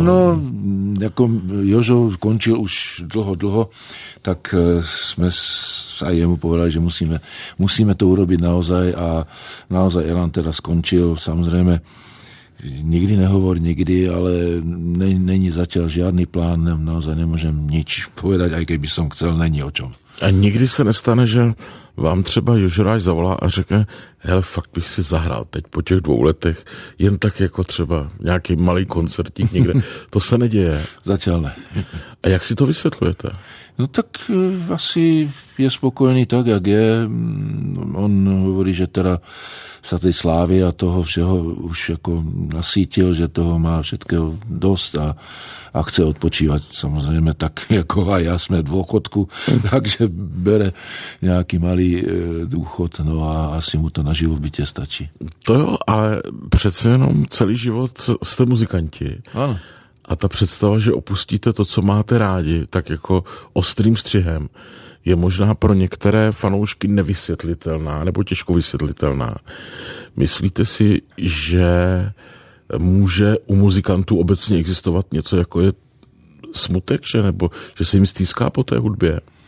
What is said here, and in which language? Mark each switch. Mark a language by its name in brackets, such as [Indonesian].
[Slovak] No, ako Jožo skončil už dlho, dlho, tak sme aj jemu povedali, že musíme to urobiť naozaj a naozaj Elán teda skončil, samozrejme. Nikdy nehovor nikdy, ale není zatiaľ žiadny plán, naozaj nemôžem nič povedať, aj keby som chcel, není o čom. [Czech] A nikdy sa nestane, že vám třeba Jožoráš zavolá a řekne, hele, fakt bych si zahral teď po těch dvou letech, jen tak jako třeba nějaký malý koncertík někde. To se neděje. [Slovak] Zatiaľ ne. [Czech] A jak si to vysvětlujete? No tak asi je spokojený tak, jak je. [Slovak] On hovorí, že teda sa tej slávy a toho všeho už ako nasítil, že toho má všetkého dosť a chce odpočívať, samozrejme, tak ako aj ja, sme v dôchodku, takže bere nejaký malý dôchod, no a asi mu to na živobytie stačí. [Czech] To jo, ale přece jenom celý život ste muzikanti. [Slovak] Áno. [Czech] A ta představa, že opustíte to, co máte rádi, tak jako ostrým střihem, je možná pro některé fanoušky nevysvětlitelná nebo těžko vysvětlitelná. Myslíte si, že může u muzikantů obecně existovat něco, jako je smutek, že nebo že se jim stýská po té hudbě?